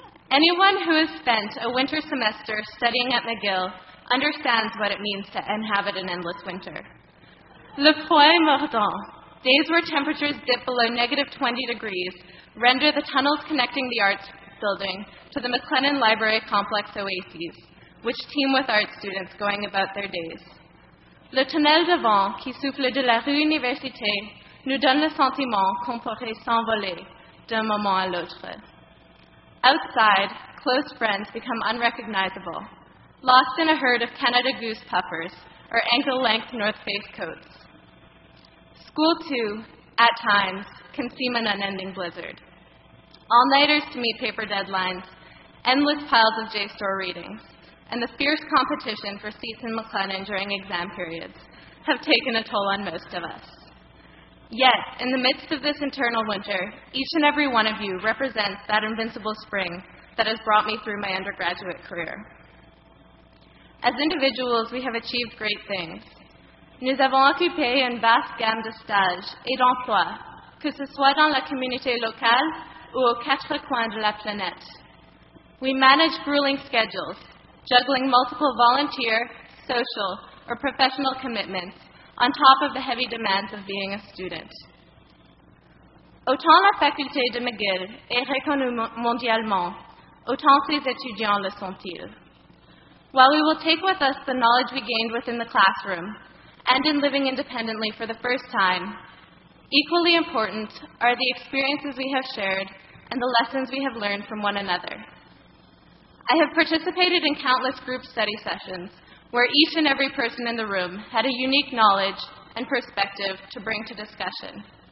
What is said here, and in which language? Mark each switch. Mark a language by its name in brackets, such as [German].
[English] Anyone who has spent a winter semester studying at McGill understands what it means to inhabit an endless winter. [French] Le froid mordant, [English] days where temperatures dip below negative 20 degrees, render the tunnels connecting the arts building to the McLennan Library Complex oases, which teem with art students going about their days. [French] Le tunnel de vent qui souffle de la rue Université nous donne le sentiment qu'on pourrait s'envoler d'un moment à l'autre. [English] Outside, close friends become unrecognizable, lost in a herd of Canada Goose puffers or ankle-length North Face coats. School, too, at times, can seem an unending blizzard. All-nighters to meet paper deadlines, endless piles of JSTOR readings, and the fierce competition for seats in McLennan during exam periods have taken a toll on most of us. Yet, in the midst of this internal winter, each and every one of you represents that invincible spring that has brought me through my undergraduate career. As individuals, we have achieved great things. [French] Nous avons occupé une vaste gamme de stages et d'emplois, que ce soit dans la communauté locale ou aux quatre coins de la planète. [English] We manage grueling schedules, juggling multiple volunteer, social, or professional commitments on top of the heavy demands of being a student. [French] Autant la faculté de McGill est reconnue mondialement, autant ses étudiants le sont-ils. [English] While we will take with us the knowledge we gained within the classroom and in living independently for the first time, equally important are the experiences we have shared and the lessons we have learned from one another. I have participated in countless group study sessions where each and every person in the room had a unique knowledge and perspective to bring to discussion.